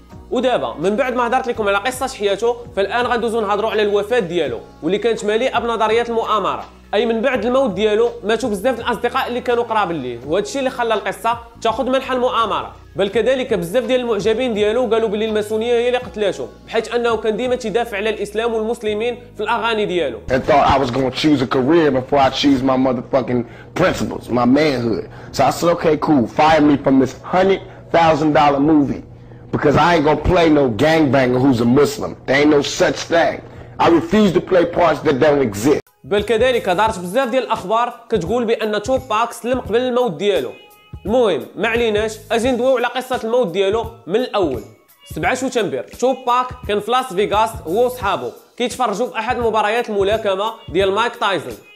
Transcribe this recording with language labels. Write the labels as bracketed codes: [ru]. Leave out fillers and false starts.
[ar] ودابا من بعد ما هضرت لكم على قصه حياته فالان غندوزو نهضروا على الوفاه ديالو واللي كانت مليئه بنظريات المؤامره. اي من بعد الموت ديالو ماتوا بزاف الاصدقاء اللي كانوا قراب ليه وهذا الشيء اللي خلى القصه تاخذ منحى المؤامره. بل كذلك بزاف ديال المعجبين ديالو قالوا بلي الماسونيه هي اللي قتلته بحيث انه كان ديما تدافع على الاسلام والمسلمين في الاغاني ديالو. [en] I thought I was going to choose a career before I choose my motherfucking principles, my manhood. So I said okay cool, fire me from this $100,000 movie because I ain't going to play no gangbanger who's a Muslim. There ain't no such thing. I refuse to play parts that don't exist. [ar] بل كذلك دارت بزاف ديال الاخبار كتقول بان توباك سلم قبل الموت ديالو. المهم ما عليناش، اجي ندويو على قصه الموت ديالو من الاول. 7 سبتمبر توباك كان في لاس فيغاس هو وصحابو كيتفرجوا في احد مباريات الملاكمه ديال مايك تايزن.